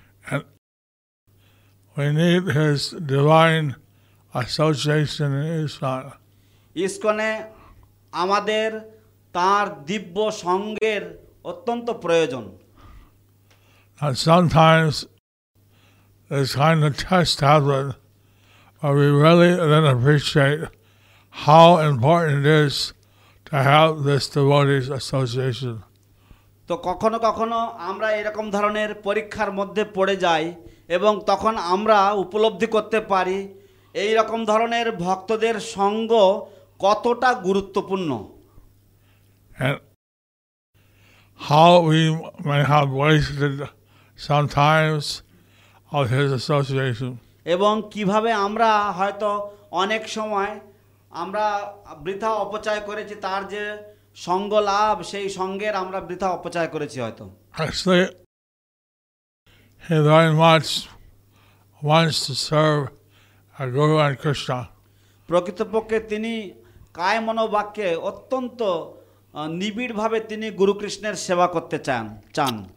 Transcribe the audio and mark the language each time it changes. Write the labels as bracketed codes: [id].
[en] And we need his divine association in ISKCON. [bn] ISKCON এ আমাদের তার দিব্য সঙ্গের অত্যন্ত প্রয়োজন [en] And sometimes this kind of test happens, but we really then appreciate how important it is to have this devotees association. [bn] তো কখনো কখনো আমরা এরকম ধরনের পরীক্ষার মধ্যে পড়ে যাই এবং তখন আমরা উপলব্ধি করতে পারি এই রকম ধরনের ভক্তদের সঙ্গ কতটা গুরুত্বপূর্ণ [en] How we may have wasted sometimes of his association [bn] এবং কিভাবে আমরা হয়তো অনেক সময় আমরা বৃথা অপচয় করেছি তার যে সঙ্গ লাভ সেই সঙ্গের আমরা বৃথা অপচয় করেছি হয়তো [en] He very much wants to serve a Guru and Krishna. [bn] প্রকৃতপক্ষে তিনি কায় মনোবাক্যে অত্যন্ত নিবিড়ভাবে তিনি গুরু কৃষ্ণের সেবা করতে চান